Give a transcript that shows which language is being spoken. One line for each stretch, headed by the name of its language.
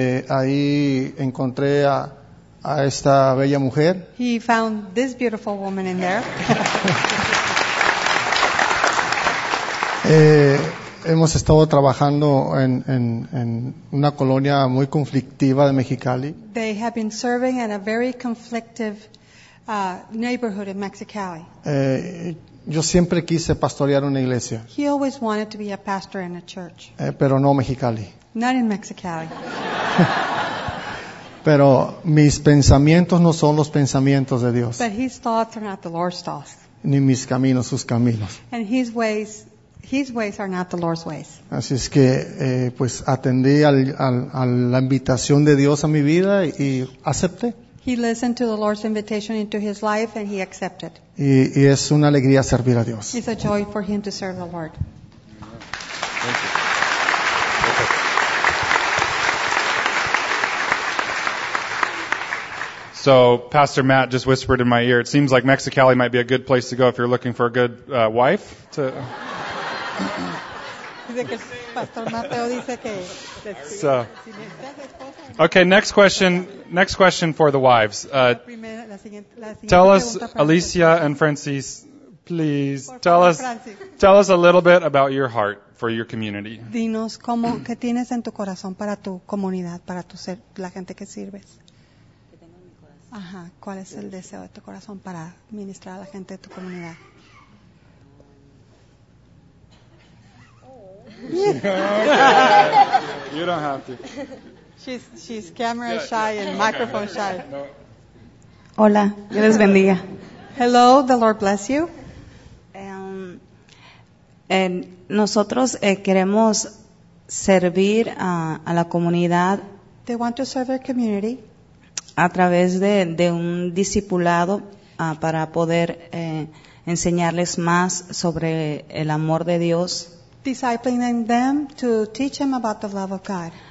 Spanish: Ahí encontré a esta bella mujer.
English: He found this beautiful woman in there.
Spanish: Hemos estado trabajando en una colonia muy conflictiva de Mexicali.
English: They have been serving in a very conflictive neighborhood in Mexicali.
Spanish: Yo siempre quise pastorear una iglesia.
English: He always wanted to be a pastor in a church.
Spanish: Pero no Mexicali.
English: Not in Mexicali.
Spanish: Pero mis pensamientos no son los pensamientos de Dios.
English: But his thoughts are not the Lord's thoughts.
Spanish: Ni mis caminos, sus caminos.
English: And his ways. His ways are not the Lord's ways.
Spanish: Así es que, pues, atendí a la invitación de Dios a mi vida y acepté.
English: He listened to the Lord's invitation into his life and he accepted.
Spanish: Y es una alegría servir a Dios.
English: It's a joy for him to serve the Lord. Thank you. So Pastor Matt just whispered in my ear, it seems like Mexicali might be a good place to go if you're looking for a good wife to... So, okay, next question for the wives. Tell us, Alicia and Francis, please, tell us a little bit about your heart for your community.
Spanish: Dinos cómo que tienes en tu corazón para tu comunidad, para tu ser, la gente que sirves. Ajá, ¿cuál es el deseo de tu corazón para ministrar a la gente de tu comunidad?
English: You don't have to. She's camera shy and microphone shy.
Spanish: Hola, Dios les bendiga.
English: Hello, the Lord bless you.
Spanish: Nosotros queremos servir a la comunidad.
English: They want to serve their community.
Spanish: A través de un discipulado para poder enseñarles más sobre el amor de Dios.
English: Discipling them to teach them about the love of God.